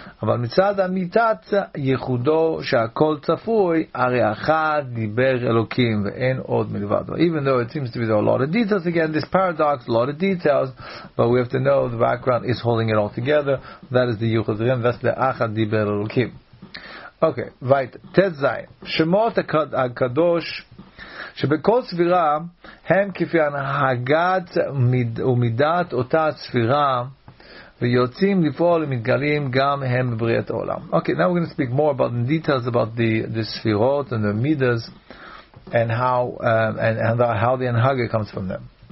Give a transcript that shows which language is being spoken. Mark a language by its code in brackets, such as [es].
[he] אבל מצד אמיתת ייחודו שהכל צפוי, הרי אחד דיבר אלוקים ואין עוד מלבד. [en] Even though it seems to be there are a lot of details, again, this paradox, a lot of details, but we have to know the background is holding it all together. That is the ייחוד רם, that's the [he] אחד דיבר אלוקים. [en] Okay, right, [he] ט"ז, שמות הקדוש, שבכל ספירה הם כפי הנהגת ומידת אותה ספירה, ויוצאים לפעול ומתגלים גם הם בבריאת העולם. [en] Okay, now we're going to speak more about the details about the ספירות and the midas and how how the anhaga comes from them.